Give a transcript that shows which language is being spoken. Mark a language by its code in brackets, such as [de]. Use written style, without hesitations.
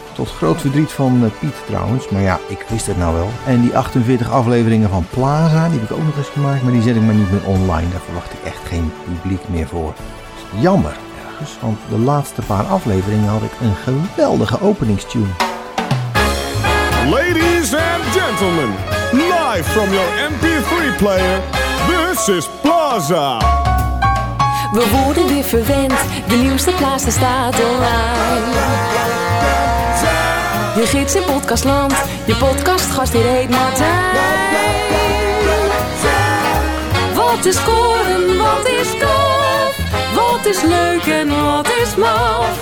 [nl] Tot groot verdriet van Piet trouwens, maar ja, ik wist het nou wel. En die 48 afleveringen van Plaza, die heb ik ook nog eens gemaakt, maar die zet ik maar niet meer online. Daar verwacht ik echt geen publiek meer voor. Dus jammer ergens, want de laatste paar afleveringen had ik een geweldige openingstune. [en] Ladies and gentlemen, live from your MP3 player, this is Plaza. [nl] We worden weer verwend, de nieuwste Plaza staat online. Je gids in podcastland, je podcastgast die heet Martijn. Wat is koren, wat is tof, wat is leuk en wat is maf.